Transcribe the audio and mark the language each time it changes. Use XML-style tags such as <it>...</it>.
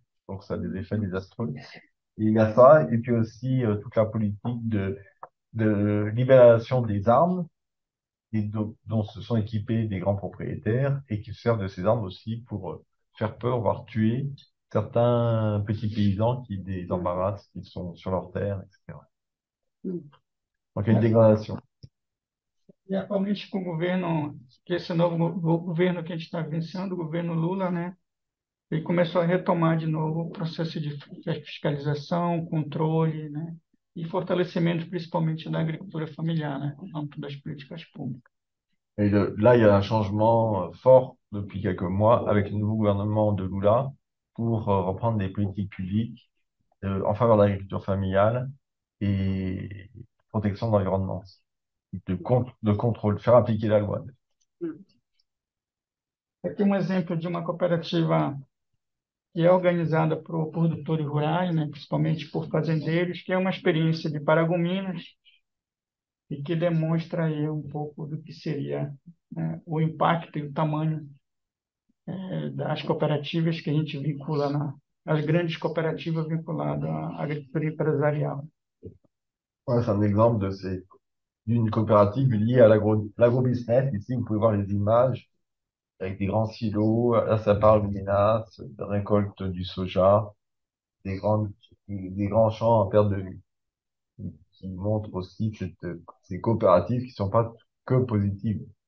<fr>Donc ça a des effets désastreux. Et il y a ça, et puis aussi toute la politique de libération des armes, dont se sont équipés des grands propriétaires, et qui servent de ces armes aussi pour faire peur, voire tuer certains petits paysans qui les embarrassent, qui sont sur leurs terres, etc. Donc il y a une dégradation.</fr> <pt>E atualmente com o governo, esse novo governo que a gente está vivenciando, o governo Lula, né, ele começou a retomar de novo o processo de fiscalização, controle, né, e fortalecimento principalmente da agricultura familiar, né, no âmbito das políticas públicas.</pt> <fr>E lá há um changement fort depuis quelques mois, avec le nouveau gouvernement de Lula, pour reprendre des politiques publiques en faveur</fr> <pt>da agricultura familiar e proteção do</pt> <fr>environnement. De contrôle, faire appliquer la loi.</fr> <pt>Aqui um exemplo de uma cooperativa que é organizada por produtores rurais, né, principalmente por fazendeiros, que é uma experiência de Paragominas e que demonstra aí um pouco do que seria, né, o impacto e o tamanho das cooperativas que a gente vincula, as grandes cooperativas vinculadas à agricultura empresarial. Esse é um exemplo de ces.</pt> <fr>D'une coopérative liée à l'agro-business. Ici, vous pouvez voir les images avec des grands silos. Là, ça parle de menaces, de récolte du soja, des grands champs en perte de vue. Qui montrent aussi ces coopératives qui ne sont pas que positives.</fr>